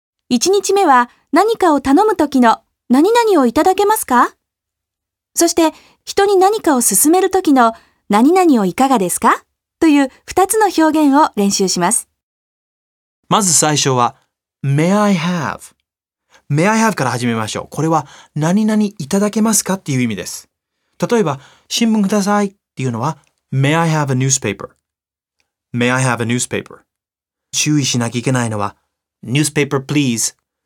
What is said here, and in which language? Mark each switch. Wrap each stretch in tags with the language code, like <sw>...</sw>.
<ja>1日目は何かを頼むときの何々をいただけますか？そして人に何かを勧めるときの何々をいかがですか？という2つの表現を練習します。まず最初は</ja> <en>May I have? May I have</en> <ja>から始めましょう。これは何々いただけますかっていう意味です。例えば新聞くださいっていうのは</ja> <en>May I have a newspaper? May I have a newspaper?</en> <ja>注意しなきゃいけないのは、</ja> <en>newspaper please。</en>